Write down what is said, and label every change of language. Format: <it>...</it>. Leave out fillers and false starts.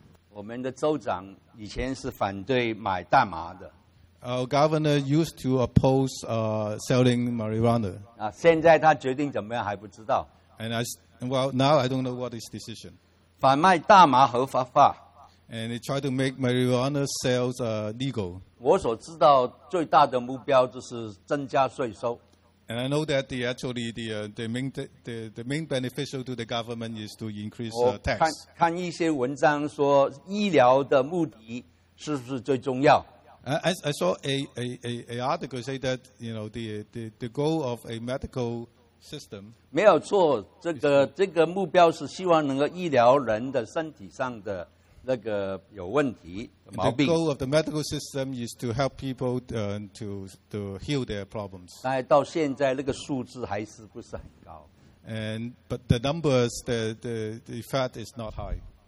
<zh>我们的州长以前是反对买大麻的。</zh> <en>Our governor used to oppose selling marijuana.</en> <zh>现在他决定怎么样还不知道。</zh> <en>And now I don't know what his decision.</en> <zh>反卖大麻合法化。</zh> <en>And he tried to make marijuana sales legal.</en> <zh>我所知道最大的目标就是增加税收。</zh> <en>And I know that the main beneficial to the government is to increase tax.</en> <zh>看一些文章说医疗的目的是不是最重要？</zh> <en>I saw a article say that you know the goal of a medical system.</en> <zh>没有错，这个目标是希望能够医疗人的身体上的那个有问题毛病。</zh> <en>The goal of the medical system is to help people to heal their problems.</en> <zh>但到现在那个数字还是不是很高。</zh> <en>And but the numbers, the effect is not high.</en>